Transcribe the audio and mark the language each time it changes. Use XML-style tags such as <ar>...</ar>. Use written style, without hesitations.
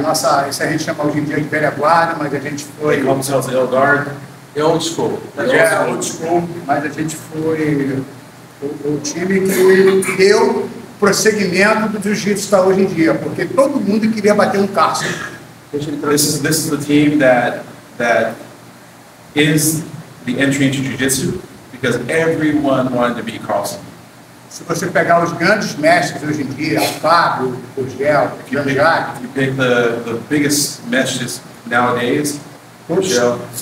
<pt>Nossa, isso a gente chama hoje em dia de velha guarda, mas a gente foi.</pt> <en>They call themselves the old guard. The old school. Old school.</en> <pt>Mas a gente foi. O time que deu prosseguimento do jiu-jitsu está hoje em dia, porque todo mundo queria bater Carlson.</pt> <en>This is the team that is the entry into jiu-jitsu, because everyone wanted to be Carlson.</en> <pt>Se você pegar os grandes mestres hoje em dia, Fábio, Gel, Jack.</pt> <en>If you pick the biggest mestres nowadays, Gel,</en>